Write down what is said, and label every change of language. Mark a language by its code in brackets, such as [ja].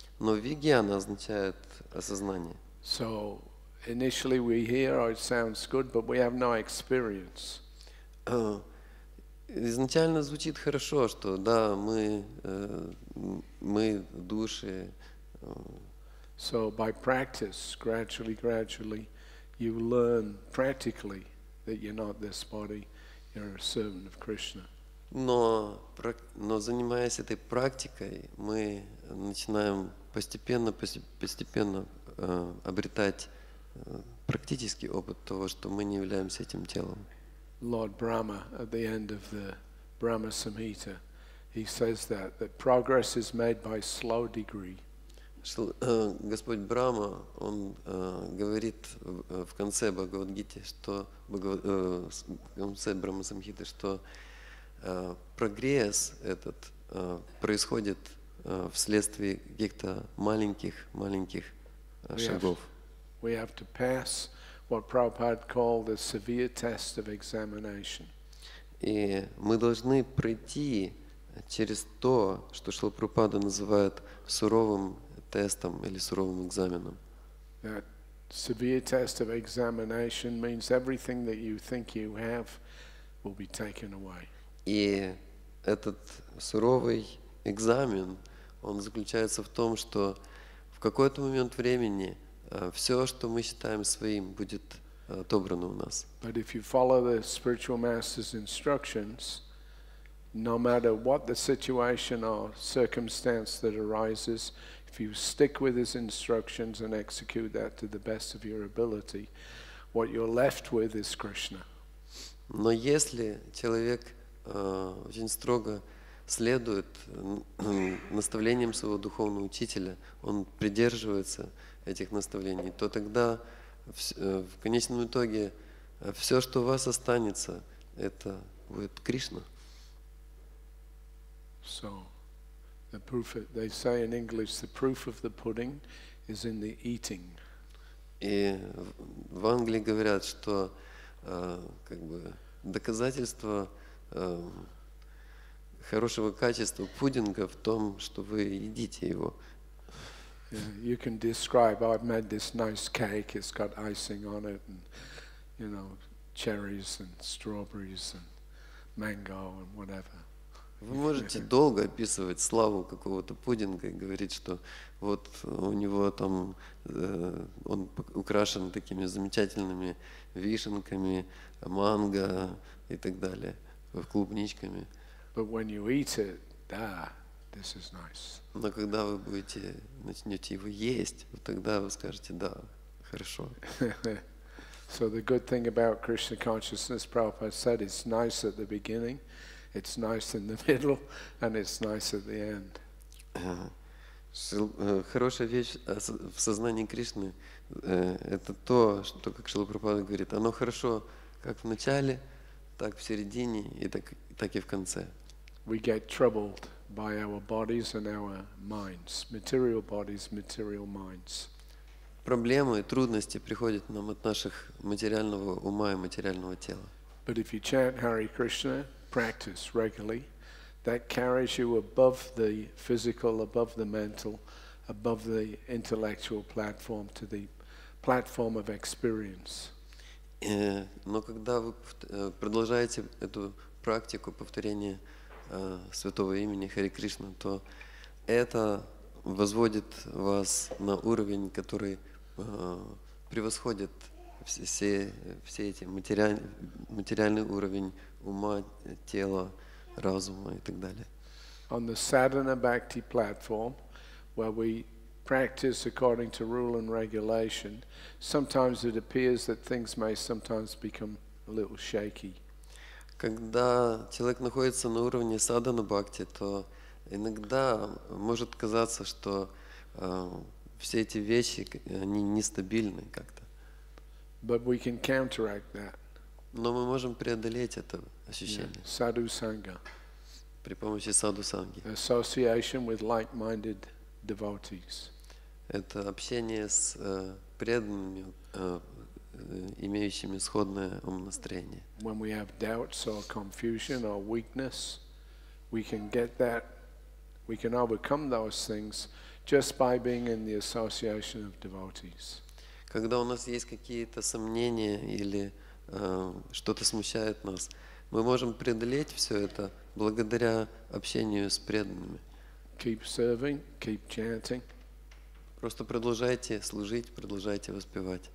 [ru] Но вигьяна означает осознание. [en] So initially we hear, oh, it sounds good, but we have no experience. [ru] Изначально звучит хорошо, что да, мы души. [en] So by practice, gradually. You learn practically that you're not this body, you're a servant of Krishna. [ru] Но занимаясь этой практикой, мы начинаем постепенно обретать практический опыт того, что мы не являемся этим телом. [en] Lord Brahma at the end of the Brahma Samhita, he says that progress is made by slow degree. [ru] Господь Брама, он говорит в конце Бхагавад-гиты, что прогресс этот происходит вследствие каких-то маленьких шагов. [en] We have to pass what Prabhupada called the severe test of examination. [ru] И мы должны пройти через то, что Шрила Прабхупада называет суровым тестом или суровым экзаменом. [en] That severe test of examination means everything that you think you have will be taken away. [ru] И этот суровый экзамен, он заключается в том, что в какой-то момент времени все, что мы считаем своим, будет отобрано у нас. [en] But if you follow the spiritual master's instructions, no matter what the situation or circumstance that arises, if you stick with his instructions and execute that to the best of your ability, what you're left with is Krishna. [ru] Но если человек очень строго следует наставлениям своего духовного учителя, он придерживается этих наставлений, то тогда в конечном итоге все, что у вас останется, это будет Кришна. [en] So the proof, they say in English, the proof of the pudding is in the eating. [ru] И в Англии говорят, что как бы доказательство хорошего качества пудинга в том, что вы едите его. [en] You can describe, oh, I've made this nice cake, it's got icing on it, and you know, cherries and strawberries and mango and whatever. [ru] Вы можете долго описывать славу какого-то пудинга и говорить, что вот у него там он украшен такими замечательными вишенками, манго и так далее, клубничками. [en] But when you eat it, [ru] да, [en] this is nice. [ru] Но когда вы будете начнете его есть, вот тогда вы скажете, да, хорошо. [en] So the good thing about Krishna consciousness, Prabhupada said, it's nice at the beginning. It's nice in the middle, and it's nice at the end. [ru] Хорошая вещь в сознании Кришны это то, что, как Шрила Прабхупада говорит, оно хорошо как в начале, так в середине и так и в конце. [en] We get troubled by our bodies and our minds, material bodies, material minds. [ru] Проблемы и трудности приходят нам от наших материального ума и материального тела. [en] But if you chant Hare Krishna, practice regularly, that carries you above the physical, above the mental, above the intellectual platform to the platform of experience. [ru] Но когда вы продолжаете эту практику повторения Святого имени Хари Кришна, то это возводит вас на уровень, который превосходит все эти материальный уровень ума, тела, разума и так далее. [en] On the sadhana bhakti platform, where we practice according to rule and regulation, sometimes it appears that things may sometimes become a little shaky. [ru] Когда человек находится на уровне садхана бхакти, то иногда может казаться, что все эти вещи они нестабильны как-то. [en] But we can counteract that. [ru] Но мы можем преодолеть это ощущение. [en] Sadhu sangha. [ru] При помощи садху санги. [en] Association with like-minded devotees. [ru] Это общение с преданными, имеющими сходное умонастроение. [en] When we have doubts or confusion or weakness, we can get that. We can overcome those things just by being in the association of devotees. [ru] Когда у нас есть какие-то сомнения или что-то смущает нас, мы можем преодолеть все это благодаря общению с преданными. [en] Keep serving, keep chanting. [ru] Просто продолжайте служить, продолжайте воспевать.